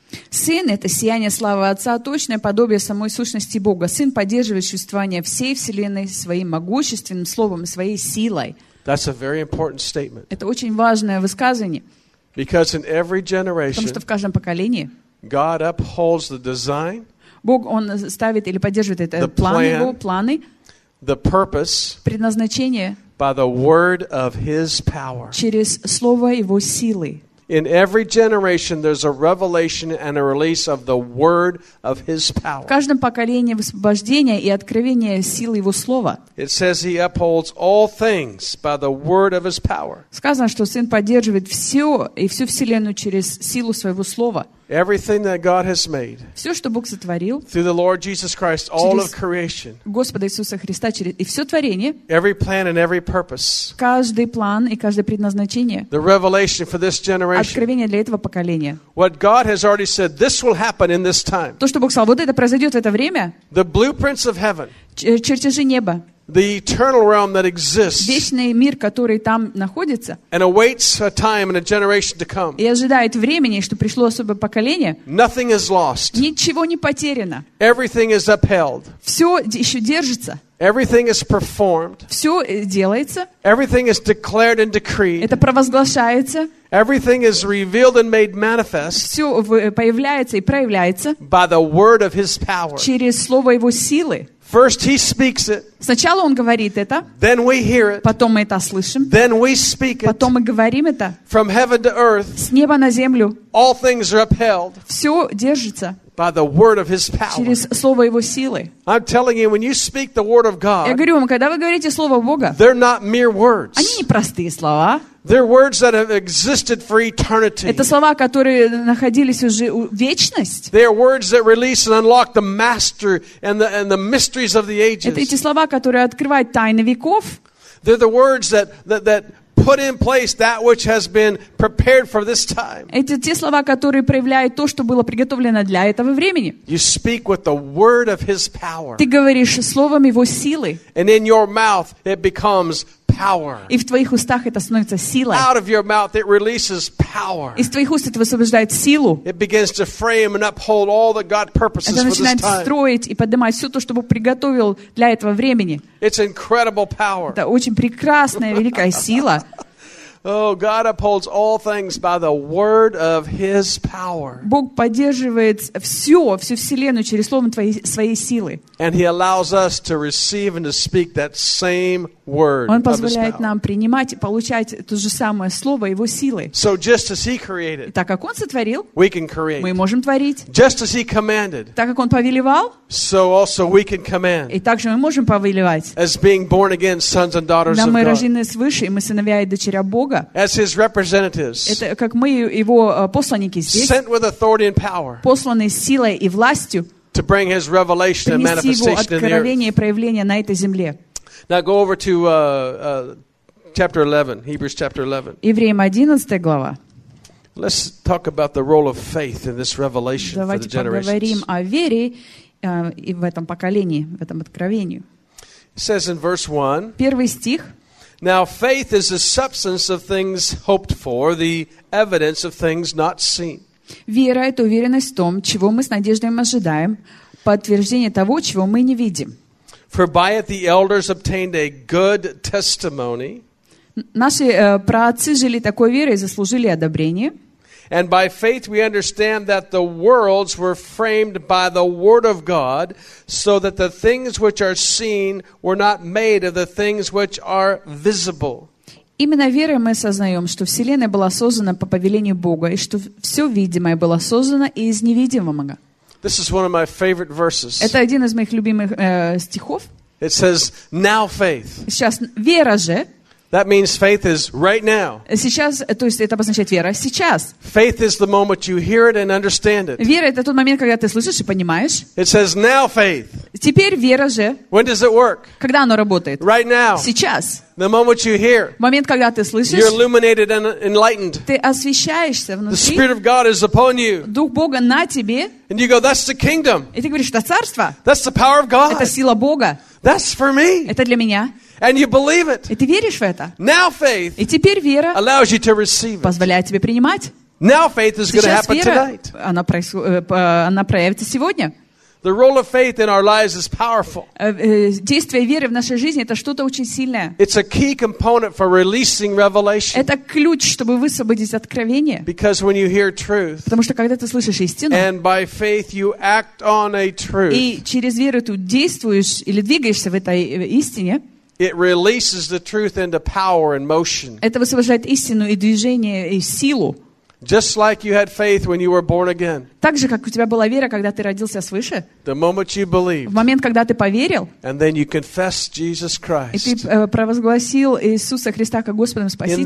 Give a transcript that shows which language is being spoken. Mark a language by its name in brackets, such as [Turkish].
[Russian] Сын — это сияние славы Отца, точное подобие самой сущности Бога. Сын поддерживает существование всей вселенной своим могущественным словом, своей силой. [English] That's a very important statement. [Russian] Это очень важное высказывание. [English] Because in every generation, [Russian] потому что в каждом поколении, [English] God upholds the design. [Russian] Бог, Он ставит или поддерживает это планы, Его планы, [English] the purpose, [Russian] предназначение [English] by the word of his power. [Russian] Через Слово Его силы. [English] In every generation there's a revelation and a release of the word of his power. [Russian] В каждом поколении освобождение и откровение силы его слова. [English] It says he upholds all things by the word of his power. [Russian] Сказано, что сын поддерживает всё и всю вселенную через силу своего слова. [English] Everything that God has made. [Russian] Всё, что Бог сотворил. [English] Through the Lord Jesus Christ, all of creation. [Russian] Господа Иисуса Христа через и всё творение. [English] Every plan and every purpose. [Russian] Каждый план и каждое предназначение. [English] The revelation for this generation. [Russian] Откровение для этого поколения. [English] What God has already said, this will happen in this time. [Russian] То, что Бог сказал, вот это произойдёт в это время. [English] The blueprints of heaven. [Russian] Чертежи неба. [English] The eternal realm that exists. [Russian] Вечный мир, который там находится. [English] And awaits a time and a generation to come. [Russian] И ожидает времени, что пришло особое поколение. [English] Nothing is lost. [Russian] Ничего не потеряно. [English] Everything is upheld. [Russian] Всё ещё держится. [English] Everything is performed. [Russian] Всё делается. [English] Everything is declared and decreed. [Russian] Это провозглашается. [English] Everything is revealed and made manifest. [Russian] Всё появляется и проявляется. [English] By the word of his power. [Russian] Через слово его силы. [English] First he speaks it. [Russian] Сначала он говорит это. [English] Then we hear it. [Russian] Потом мы это слышим. [English] Then we speak it. [Russian] Потом мы говорим это. [English] From heaven to earth. [Russian] С неба на землю. [English] All things are upheld. [Russian] Всё держится. [English] By the word of his power. [Russian] Через слово его силы. [English] I'm telling you, when you speak the word of God. [Russian] Я говорю вам, когда вы говорите слово Бога. [English] They're not mere words. [Russian] Они не простые слова. [English] They're words that have existed for eternity. [Russian] Это слова, которые находились уже в вечность. [English] They're words that release and unlock the master and the mysteries of the ages. [Russian] Это эти слова, которые открывают тайны веков. [English] They're the words that put in place that which has been prepared for this time. [Russian] Эти те слова, которые проявляют то, что было приготовлено для этого времени. [English] You speak with the word of his power. [Russian] Ты говоришь словом его силы. [English] And in your mouth it becomes power. [Russian] И в твоих устах это становится силой. [English] Out of your mouth it releases power. [Russian] Из твоих уст это высвобождает силу. [English] It begins to frame and uphold all that God purposes for this time. [Russian] Это начинает строить и поднимать всё то, что Бог приготовил для этого времени. [English] It's incredible power. [Russian] Это очень прекрасная великая сила. [English] Oh, God upholds all things by the word of his power. [Russian] Бог поддерживает всю вселенную через словом своей силы. [English] And he allows us to receive and to speak that same word. [Russian] Он позволяет нам принимать и получать то же самое слово его силы. [English] So just as he created. [Russian] Так как он сотворил. [English] We can create. [Russian] Мы можем творить. [English] Just as he commanded. [Russian] Так как он повелевал. [English] So also we can command. [Russian] И также мы можем повелевать. [English] As being born again sons and daughters of God. [Russian] Мы рождены свыше, и мы сыновья и дочеря Бога. [English] As his representatives. [Russian] Это как мы его посланники здесь. [English] Sent with authority and power. [Russian] Посланные силой и властью. [English] To bring his revelation and manifestation in the earth. [Russian] Принести его откровение на этой земле. [English] Now go over to chapter 11, Hebrews chapter 11. [Russian] Евреям 11 глава. [English] Let's talk about the role of faith in this revelation for the generations. [Russian] Давайте поговорим о вере и в этом поколении, в этом откровении. [English] It says in verse 1. [Russian] Первый стих. [English] Now faith is the substance of things hoped for, the evidence of things not seen. [Russian] Вера это уверенность в том, чего мы с надеждой ожидаем, подтверждение того, чего мы не видим. [English] For by it the elders obtained a good testimony. [Russian] Наши праотцы жили такой верой и заслужили одобрение. [English] And by faith we understand that the worlds were framed by the word of God, so that the things which are seen were not made of the things which are visible. [Russian] Именно верой мы осознаем, что вселенная была создана по повелению Бога, и что все видимое было создано из невидимого. [English] This is one of my favorite verses. [Russian] Это один из моих любимых стихов. [English] It says, "Now faith." [Russian] Сейчас вера же. [English] That means faith is right now. [Russian] Сейчас, то есть это обозначает вера сейчас. [English] Faith is the moment you hear it and understand it. [Russian] Вера это тот момент, когда ты слышишь и понимаешь. [English] It says now faith. [Russian] Теперь вера же. [English] When does it work? [Russian] Когда оно работает? [English] Right now. [Russian] Сейчас. [English] The moment you hear. [Russian] Момент, когда ты слышишь. [English] You're illuminated and enlightened. [Russian] Ты освещаешься внутри. [English] The spirit of God is upon you. [Russian] Дух Бога на тебе. [English] And you go, that's the kingdom. [Russian] И ты говоришь, это царство. [English] That's the power of God. [Russian] Это сила Бога. [English] That's for me. [Russian] Это для меня. [English] And you believe it. [Russian] И ты веришь в это. [English] Now faith. [Russian] И теперь вера. [English] Allows you to receive it. [Russian] Позволяет тебе принимать. [English] Now faith is going to happen tonight. [Russian] Сейчас вера. Она проявится сегодня. [English] The role of faith in our lives is powerful. [Russian] Действие веры в нашей жизни это что-то очень сильное. [English] It's a key component for releasing revelation. [Russian] Это ключ, чтобы высвободить откровение. [English] Because when you hear truth. [Russian] Потому что когда ты слышишь истину. [English] And by faith you act on a truth. [Russian] И через веру ты действуешь или двигаешься в этой истине. [English] It releases the truth into power and motion. [Russian] Это высвобождает истину и движение и силу. [English] Just like you had faith when you were born again. [Russian] Так же, как у тебя была вера, когда ты родился свыше. [English] The moment you believed. [Russian] В момент, когда ты поверил. [English] And then you confessed Jesus Christ. [Russian] И ты провозгласил Иисуса Христа как Господом и Спасителем.